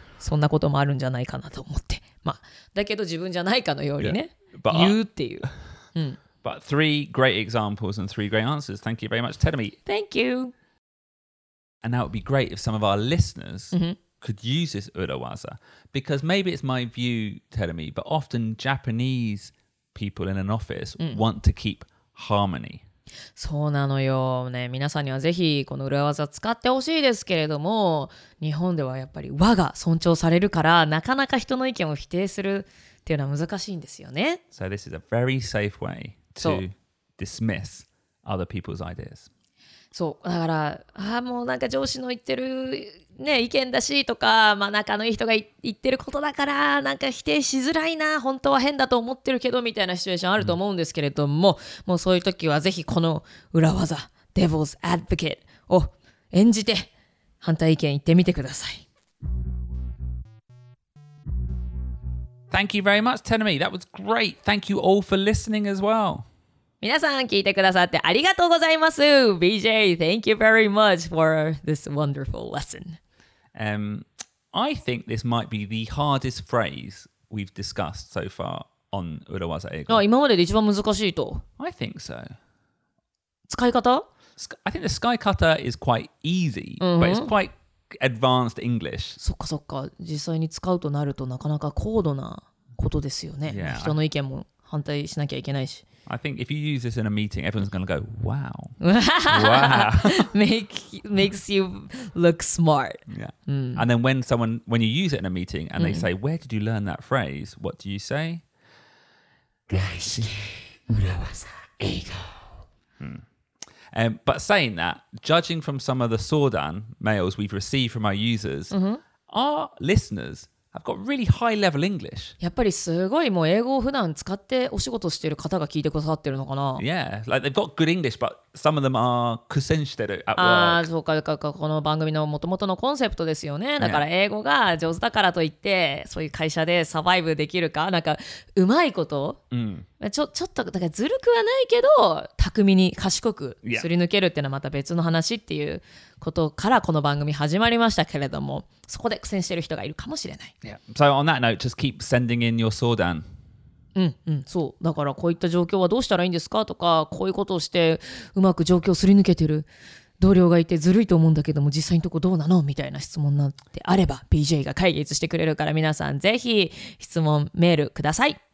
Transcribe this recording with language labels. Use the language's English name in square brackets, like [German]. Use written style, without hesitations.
[Japanese] そんなこともあるんじゃないかなと思って。まあ、だけど自分じゃないかのようにね。言うっていう。うん。 [English] But three great examples and three great answers. Thank you very much, Terumi. Thank you. And now it would be great if some of our listeners could use this urawaza. Because maybe it's my view, Terumi, but often Japanese people in an office want to keep harmony. [Japanese] そうなのよ、ね、皆さんにはぜひこの裏技使ってほしいですけれども、日本ではやっぱり和が尊重されるから、なかなか人の意見を否定するっていうのは難しいんですよね。 [English] So this is a very safe way to dismiss other people's ideas. [Japanese] そうだから、あ、もうなんか上司の言ってる、ね、意見だしとか、まあ、仲のいい人が言ってることだから、なんか否定しづらいな、本当は変だと思ってるけどみたいなシチュエーションあると思うんですけれども、もうそういう時はぜひこの裏技 Devil's Advocate を演じて反対意見言ってみてください。 [English] Thank you very much, Terumi. That was great. Thank you all for listening as well. [Japanese] 皆さん聞いてくださってありがとうございます。 [English] BJ, thank you very much for this wonderful lesson. I think this might be the hardest phrase we've discussed so far on Urawaza Eigo. [Japanese] 今までで一番難しいと。 [English] I think so. [Japanese] 使い方? [English] I think the sky cutter is quite easy, but it's quite advanced English. [Japanese] そっかそっか。実際に使うとなるとなかなか高度なことですよね。 [English] Yeah, [Japanese] 人の意見も反対しなきゃいけないし。 [English] I think if you use this in a meeting, everyone's going to go, wow. Wow. makes you look smart. Yeah. And then when you use it in a meeting and they say, where did you learn that phrase? What do you say? [Japanese] 大好き裏技英語。 [English] But saying that, judging from some of the sōdan mails we've received from our users, our listeners... I've got really high level English. [Japanese] やっぱりすごいもう英語を普段使ってお仕事してる方が聞いてくださってるのかな。 [English] Yeah, like they've got good English, but some of them are [Japanese] 苦戦してる [English] at work. [Japanese] ああ、そうか、そうか、この番組の元々のコンセプトですよね。だから英語が上手だからといって、そういう会社でサバイブできるか、なんかうまいこと、ちょっとだからずるくはないけど、巧みに賢くすり抜けるっていうのはまた別の話っていうことからこの番組始まりましたけれども、そこで苦戦してる人がいるかもしれない。 [English] Yeah. So on that note, just keep sending in your sōdan. [Japanese] そうだから、こういった状況はどうしたらいいんですかとか、こういうことをしてうまく状況をすり抜けてる同僚がいてずるいと思うんだけども、実際のとこどうなのみたいな質問なんてあれば BJ が解決してくれるから、皆さんぜひ質問メールください。